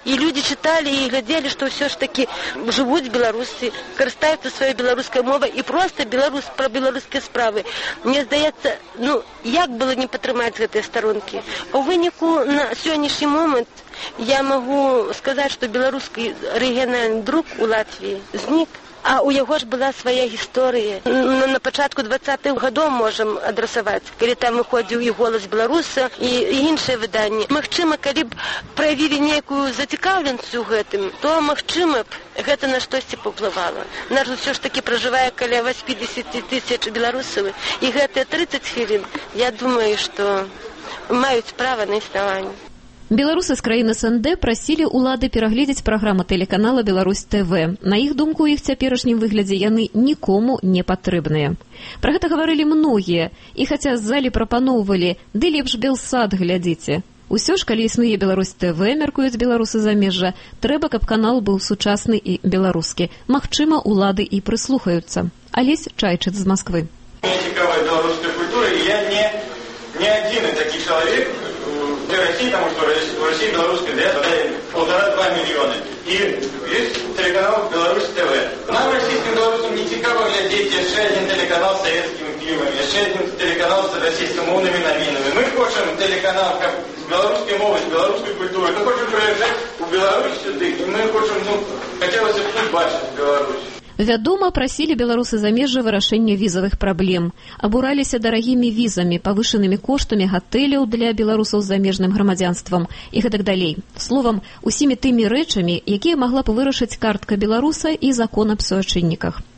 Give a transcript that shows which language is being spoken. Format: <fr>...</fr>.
<ru>И люди читали и глядели, что все ж таки живут беларусы, корыстаются своей белорусской мовой и просто белорус про белорусские справы. Мне сдается, ну, як было не потрымать этой сторонки.</ru> <be>У вынику</be> <ru>на сегодняшний момент я могу сказать, что белорусский региональный друг у Латвии зник.</ru> <be>А у яго ж была свая гісторыя. На пачатку 20-х гадоў можам адрасаваць, калі там выходзіў і «Голас беларуса», і іншыя выданні. Магчыма, калі б праявілі некую зацікаўленцю гэтым, то магчыма б гэта на штосьці паўплывала. Наш усё ж такі пражывае каля 80 тысяч беларусаў, і гэтыя 30 хвілін, я думаю, што маюць права на існаванне. Беларусы з краіны СНД прасілі ўлады перагледзець праграму тэлеканала «Беларусь ТВ». На іх думку, у іх цяперашнім выглядзе яны нікому не патрэбныя. Пра гэта гаварылі многія, і хаця з залі прапаноўвалі, ды лепш Белсад глядзіце. Усё ж, калі існуе «Беларусь ТВ», мяркуюць беларусы замежжа, трэба, каб канал быў сучасны і беларускі. Магчыма, улады і прыслухаюцца. Алесь Чайчыц з Москвы. Мне цікавая беларуская культура, і я не адзін такі чалавек,</be> <ru>для России, потому что в России белорусская диаспора 1,5-2 миллиона. И есть телеканал «Беларусь ТВ». Нам, российским белорусам, не цікаво глядеть еще один телеканал с советскими фильмами, еще один телеканал с российскими умными новинами. Мы хотим телеканал как с белорусской мовой, с белорусской культурой. Мы хотим приезжать в Беларусь сюда, и мы хотим, ну, хотелось бы тут бачить Беларусь.</ru> <be>Вядома, прасілі беларусы замежжа вырашэння візавых праблем, абураліся дарагімі візамі, павышанымі коштамі гатэляў для беларусаў з замежным грамадзянствам і гэтак далей. Словам, усімі тымі рэчамі, якія магла б вырашыць картка беларуса і закон аб суайчынніках.</be>